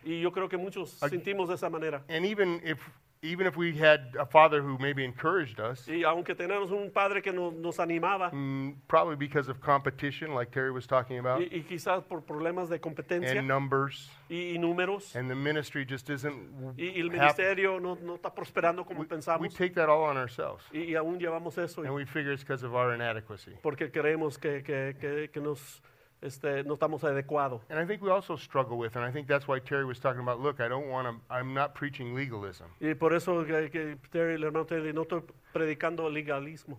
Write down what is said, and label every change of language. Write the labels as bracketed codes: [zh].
[es] Y yo creo que muchos sentimos de esa manera. [en] And even if we had a father who maybe encouraged us, [es] y aunque teníamos un padre que nos animaba, [en] probably because of competition, like Terry was talking about, [es] y quizás por problemas de competencia, [en] and numbers, [es] y números, [en] and the ministry just isn't. [es] Y el ministerio no está prosperando como pensamos. [en] We take that all on ourselves, [es] y aún llevamos eso, [en] and we figure it's because of our inadequacy. [es] Porque creemos que nos no estamos adecuado. [en] And I think we also struggle with, and I think that's why Terry was talking about, look, I'm not preaching legalism. [es] Y por eso que Terry, el hermano Terry, no estoy predicando legalismo.